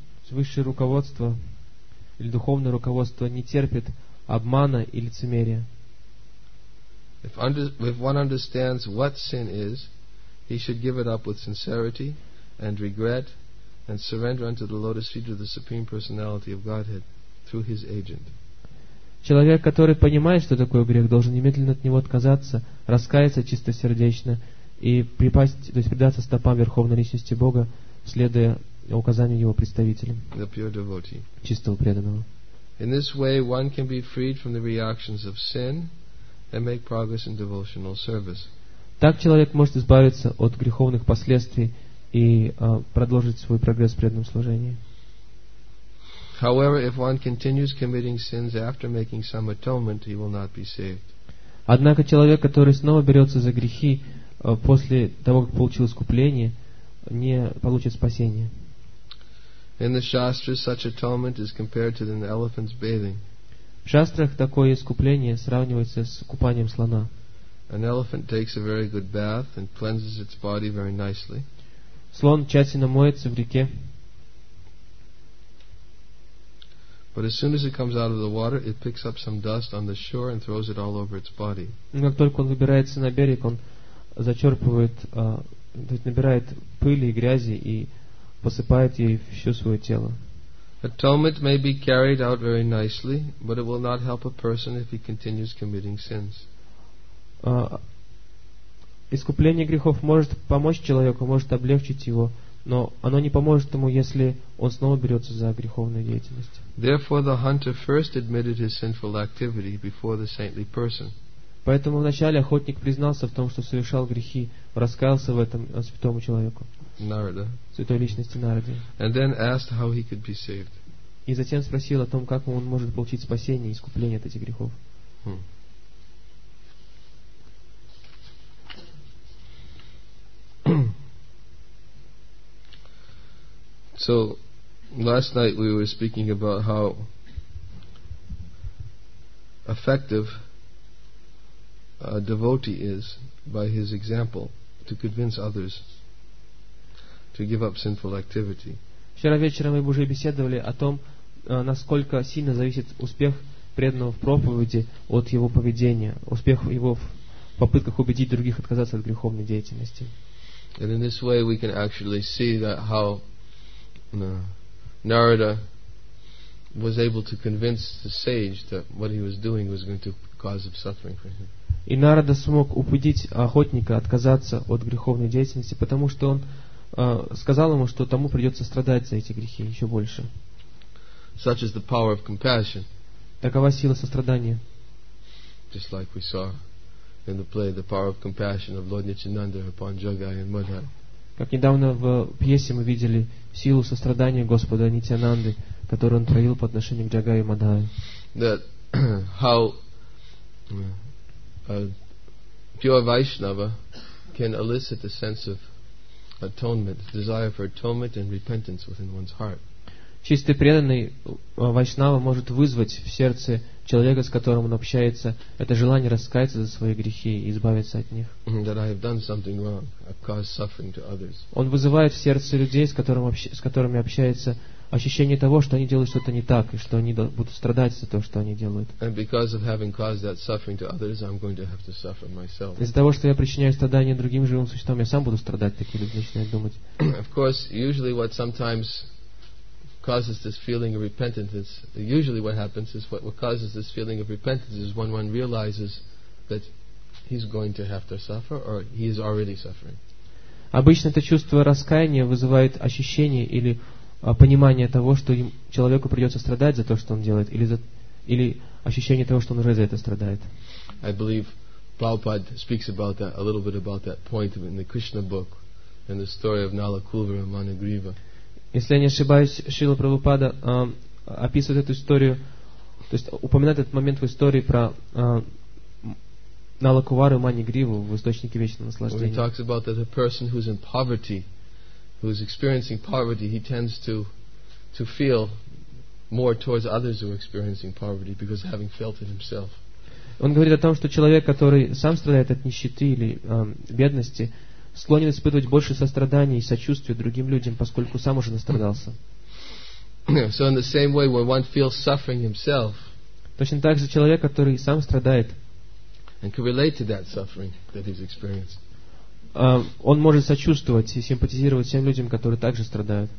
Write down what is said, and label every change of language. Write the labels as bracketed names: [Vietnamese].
[Russian] Высшее руководство или духовное руководство не терпит обмана и лицемерия. [English] If one understands what sin is, he should give it up with sincerity and regret and surrender unto the lotus feet of the Supreme Personality of Godhead through his agent. [Russian] Человек, который понимает, что такое грех, должен немедленно от него отказаться, раскаяться чистосердечно и припасть, то есть предаться стопам Верховной Личности Бога, следуя указанию его представителям, [English] the pure devotee. [Russian] Чистого преданного. [English] In this way, one can be freed from the reactions of sin and make progress in devotional service. [Russian] Так человек может избавиться от греховных последствий и продолжить свой прогресс в преданном служении. [English] However, if one continues committing sins after making some atonement, he will not be saved. [Russian] Однако человек, который снова берется за грехи после того, как получил искупление, не получит спасения. [English] In the shastras, such atonement is compared to an elephant's bathing. [Russian] В шастрах такое искупление сравнивается с купанием слона. [English] An elephant takes a very good bath and cleanses its body very nicely. [Russian] Слон тщательно моется в реке. [English] But as soon as it comes out of the water, it picks up some dust on the shore and throws it all over its body. [Russian] Как только он выбирается на берег, он зачерпывает, то есть набирает пыли и грязи и посыпает ей все свое тело. [English] Atonement may be carried out very nicely, but it will not help a person if he continues committing sins. [Russian] Искупление грехов может помочь человеку, может облегчить его, но оно не поможет ему, если он снова берется за греховную деятельность. [English] Therefore, the hunter first admitted his sinful activity before the saintly person. [Russian] Поэтому вначале охотник признался в том, что совершал грехи, раскаялся в этом святому человеку, Нарада, святой личности Нарады. [English] And then asked how he could be saved. [Russian] И затем спросил о том, как он может получить спасение и искупление от этих грехов. [English] So, last night we were speaking about how effective a devotee is by his example to convince others to give up sinful activity. [Russian] Вчера вечером мы уже беседовали о том, насколько сильно зависит успех преданного в проповеди от его поведения, успех его в попытках убедить других отказаться от греховной деятельности. [English] And in this way we can actually see that how Narada was able to convince the sage that what he was doing was going to cause him suffering for him. [Russian] И Нарада смог убедить охотника отказаться от греховной деятельности, потому что он сказал ему, что тому придется страдать за эти грехи еще больше. [English] Such is the power of compassion. [Russian] Такова сила сострадания. [English] Just like we saw in the play, the power of compassion of Lord Nityananda upon Jagai and Madhav. [Russian] Как недавно в пьесе мы видели силу сострадания Господа Нитянанды, которую он проявил по отношению к Джагай и Мадхаве. [English] That how a pure Vaishnava can elicit a sense of atonement, desire for atonement and repentance within one's heart. [Russian] Чистый преданный Вайшнава может вызвать в сердце человека, с которым он общается, это желание раскаяться за свои грехи и избавиться от них. [English] That I have done something wrong, I've caused suffering to others. [Russian] Он вызывает в сердце людей, с которыми общается, ощущение того, что они делают что-то не так, и что они будут страдать за то, что они делают. [English] And because of having caused that suffering to others, I'm going to have to suffer myself. [Russian] Из-за того, что я причиняю страдания другим живым существам, я сам буду страдать, такие люди начинают думать. [English] Of course, usually what sometimes causes this feeling of repentance, usually what happens is what causes this feeling of repentance is when one realizes that he's going to have to suffer or he is already suffering. [Russian] Обычно это чувство раскаяния вызывает ощущение или понимание того, что человеку придется страдать за то, что он делает, или ощущение того, что он уже за это страдает. [English] I believe Prabhupada speaks about that, a little bit about that point in the Krishna book, in the story of Nala Kulvar and Managriva. [Russian] Если я не ошибаюсь, Шрила Прабхупада описывает эту историю, то есть упоминает этот момент в истории про Нала Кувару и Манигриву в источнике вечного наслаждения. [English] He talks about that a person who's in poverty, who's experiencing poverty, he tends to feel more towards others who are experiencing poverty because having felt it himself. [Russian] Он говорит о том, что человек, который сам страдает от нищеты или бедности, склонен испытывать больше сострадания и сочувствия другим людям, поскольку сам уже настрадался. [English] So in the same way, when one feels suffering himself, [Russian] точно так же человек, который сам страдает, [English] and can relate to that suffering that he's experienced, [Russian] он может сочувствовать и симпатизировать всем людям, которые также страдают.